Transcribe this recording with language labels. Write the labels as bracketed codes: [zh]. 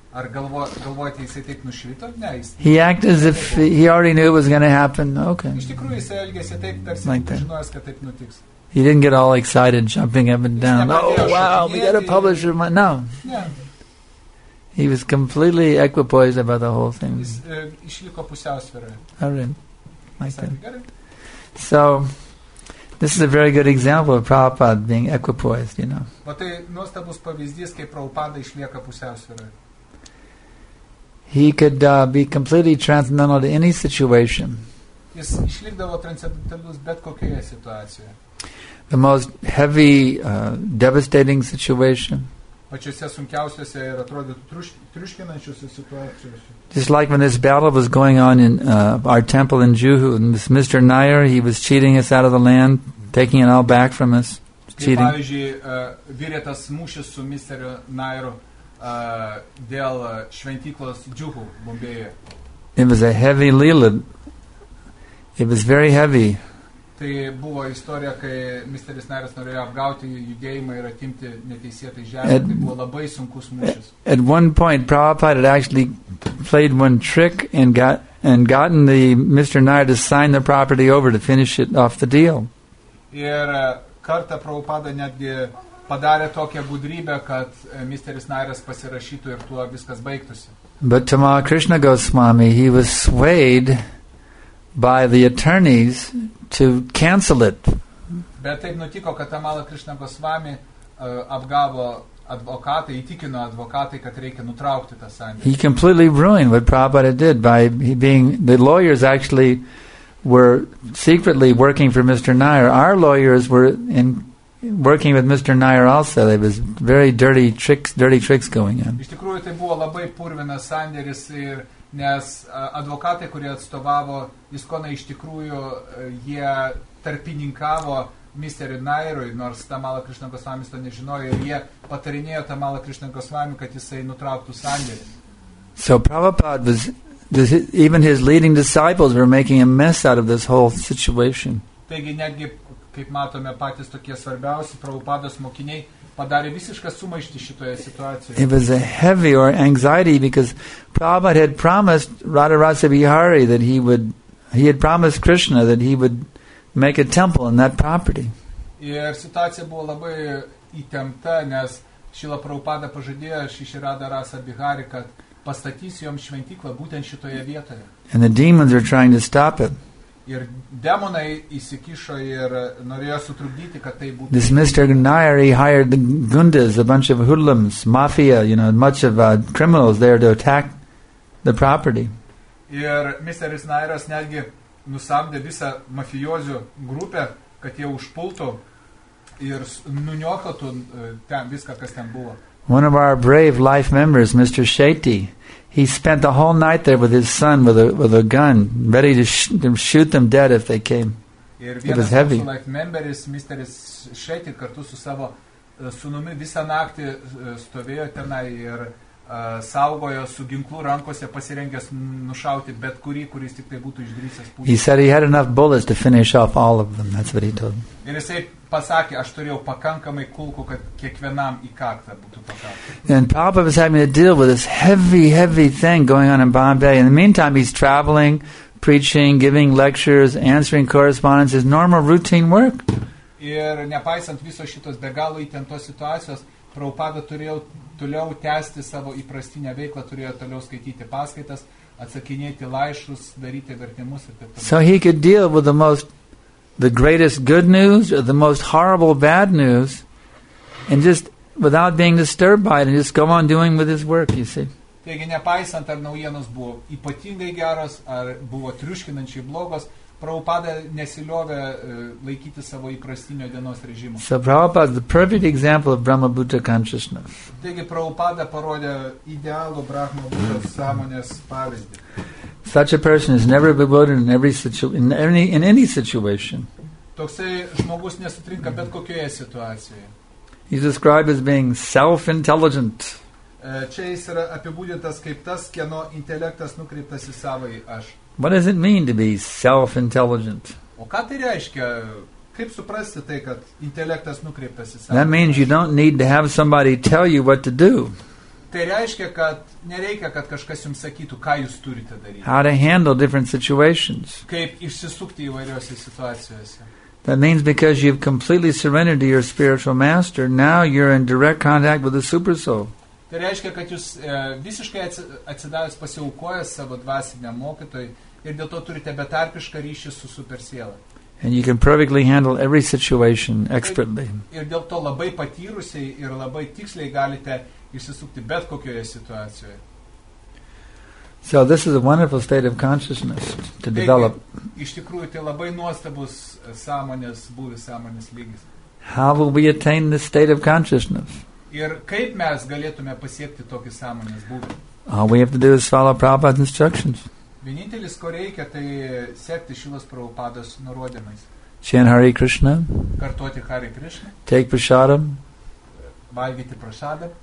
[lt] Ar galvojate, jisai taip nušvito? Ne, jisai. [en] He acted as if he already knew it was going to happen. Okay. [lt] Iš tikrųjų, jisai elgėsi taip, tarsi žinojęs, kad taip nutiks. [en] He didn't get all excited, jumping up and down. Oh, wow, we got a publisher. No. [lt] Ne. [en] He was completely equipoised about the whole thing. [lt] Jis išliko pusiausvyroje. [en] All right. So, this is a very good example of Prabhupada being equipoised, you know. [lt] But tai nuostabus pavyzdys, kaip Prabhupada išlieka pusiausvyroje. [en] He could be completely transcendental to any situation. [lt] Jis išlikdavo transcendentalus bet kokioje situacijoje. [en] The most heavy, devastating situation. [lt] Pačiose sunkiausiose ir atrodytų triuškinančiose situacijose. [en] Just like when this battle was going on in our temple in Juhu, and this Mr. Nair, he was cheating us out of the land, taking it all back from us, cheating. [lt] Pavyzdžiui, virė tas mūšis su Mr. Nairu dėl šventyklos Juhu, Bombėje. [en] It was a heavy lila. It was very heavy. [lt] Tai buvo istorija, kai Mr. Nairas norėjo apgauti judėjimą ir atimti neteisėtai žemę. Tai buvo labai sunkus mūšis. [en] At one point, Prabhupada actually played one trick and gotten the Mr. Nair to sign the property over to finish it off the deal. [lt] Ir kartą Prabhupada netgi padarė tokią gudrybę, kad Mr. Nairas pasirašytų ir tuo viskas baigtųsi. [en] But Tama Krishna Goswami, he was swayed by the attorneys to cancel it. [lt] Bet taip nutiko, kad Tamala Krishna Goswami apgavo advokatai, įtikino advokatai, kad reikia nutraukti tą sandėlį. [en] He completely ruined what Prabhupada did by the lawyers actually were secretly working for Mr. Nair. Our lawyers were working with Mr. Nair also. There was very dirty tricks going on. [lt] Iš tikrųjų, tai buvo labai purvinas sandėris ir nes advokatai, kurie atstovavo Iskoną, iš tikrųjų jie tarpininkavo Mr. Nairui, nors Tamala Krishna Goswami to nežinojo, ir jie patarinėjo Tamala Krishna Goswami, kad jisai nutrauktų sandėlį. [en] So Prabhupada was, even his leading disciples were making a mess out of this whole situation. [lt] Taigi netgi, kaip matome, patys tokie svarbiausi Prabhupados mokiniai padarė visišką sumaištį šitoje situacijoje. [en] It was a heavy or anxiety because Prabhupada had promised Radharasa Bihari that he had promised Krishna that he would make a temple in that property. [lt] Ir situacija buvo labai įtempta, nes Šila Prabhupada pažadėjo Šiši Radharasa Bihari, kad pastatys joms šventyklą būtent šitoje vietoje. [en] And the demons are trying to stop it. [lt] Ir demonai įsikišo ir norėjo sutrukdyti, kad tai būtų. [en] This Mr. Nair, he hired the gundas, a bunch of hoodlums, mafia, you know, much of criminals there to attack the property. [lt] Ir Mr. Nairas netgi nusamdė visą mafiozių grupę, kad jie užpultų ir nuniokotų ten viską, kas ten buvo. [en] One of our brave life members, Mr. Shetty, he spent the whole night there with his son with a gun, ready to shoot them dead if they came. It was heavy. Ir life members, Mr. [lt] Shetty, kartu su savo sūnumi visą naktį stovėjo tenai ir saugojo su ginklu rankose pasirengęs nušauti bet kurį, kuris tik tai būtų išdrįsęs [en] pulti. He said he had enough bullets to finish off all of them. That's what he told. [lt] Ir jisai pasakė, aš turėjau pakankamai kulkų, kad kiekvienam į kaktą būtų pakankamai. [en] And Papa was having to deal with this heavy, heavy thing going on in Bombay. In the meantime, he's traveling, preaching, giving lectures, answering correspondence, his normal routine work. [lt] Ir nepaisant viso šitos be galo įtemptos situacijos, Prabhupada turėjo toliau tęsti savo įprastinę veiklą, turėjo toliau skaityti paskaitas, atsakinėti laišus, daryti vertimus ir taip. [en] So he could deal with the greatest good news or the most horrible bad news and just without being disturbed by it and just go on doing with his work, you see. [lt] Taigi nepaisant ar naujienos buvo ypatingai geros ar buvo triuškinančiai blogos, Prabhupada nesiliovė laikyti savo įprastinio dienos režimo. [en] So Prabhupada is the perfect example of Brahma Buddha consciousness. [lt] Taigi Prabhupada parodė idealų Brahma Buddha sąmonės pavyzdį. [en] Such a person is never bewildered in any situation. [lt] Toksai žmogus nesutrinka bet kokioje situacijoje. [en] He's described as being self-intelligent. [lt] Čia jis yra apibūdintas kaip tas, kieno intelektas nukreiptas į savąjį aš. [en] What does it mean to be self-intelligent? [lt] O ką tai reiškia? Kaip suprasti tai, kad intelektas nukreiptas į savo? [en] That means you don't need to have somebody tell you what to do. [lt] Tai reiškia, kad nereikia, kad kažkas jums sakytų, ką jūs turite daryti. [en] How to handle different situations. [lt] Kaip išsisukti įvairiose situacijose. [en] That means because you've completely surrendered to your spiritual master, now you're in direct contact with the super soul. [lt] Tai reiškia, kad jūs visiškai atsidavęs pasiaukojęs savo dvasiniam mokytojui ir dėl to turite betarpišką ryšį su supersiela. [en] And you can perfectly handle every situation expertly. [lt] Ir dėl to labai patyrusiai ir labai tiksliai galite išsisukti bet kokioje situacijoje. [en] So this is a wonderful state of consciousness to develop. [lt] Iš tikrųjų, tai labai nuostabus sąmonės būvis, sąmonės lygis. [en] How will we attain this state of consciousness? [lt] Ir kaip mes galėtume pasiekti tokį sąmonės būvį? [en] All we have to do is follow Prabhupada's instructions. [lt] Vienintelis, ko reikia, tai sekti Šilos Prabhupados nurodymais. [en] Chant Hare Krishna. [lt] Kartuoti Hare Krishna. [en] Take prasadam. [lt] Valgyti prasadam.